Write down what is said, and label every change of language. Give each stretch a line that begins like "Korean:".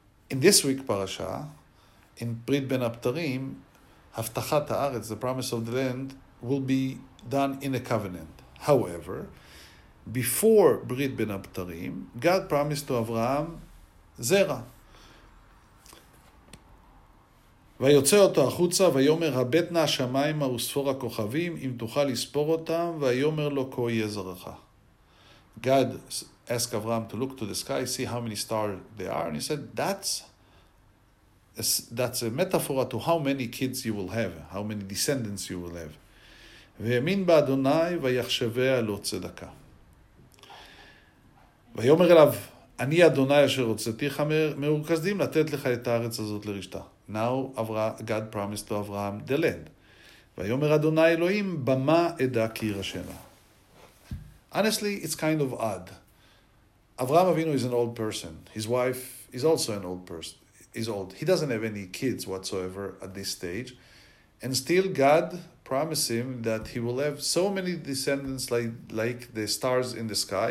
English: In this week parasha, in Brit Ben Aptarim, Avtachat HaAretz, the promise of the land, will be done in a covenant. However, before Brit Ben Aptarim, God promised to Avraham Zera.
Hebrew: ויוצא אותו החוצה ויאמר הבט נא השמיימה וספור הכוכבים אם תוכל לספור אותם ויאמר לו כה יהיה זרעך.
English: God asked Avraham to look to the sky, see how many stars there are, and he said that's a metaphor to how many kids you will have, how many descendants you will have.
Hebrew: והאמין בה אדוני ויחשביה לו צדקה. ויאמר אליו אני אדוני אשר הוצאתיך מרוכזדים לתת לך את הארץ הזאת לרשתה.
English: Now God promised to Avraham the land.
Hebrew: ויאמר אדוני אלוהים במה אדע כי ירשמה.
English: Honestly, it's kind of odd. Avraham Avinu is an old person. His wife is also an old person. He's old. He doesn't have any kids whatsoever at this stage. And still God promised him that he will have so many descendants like the stars in the sky.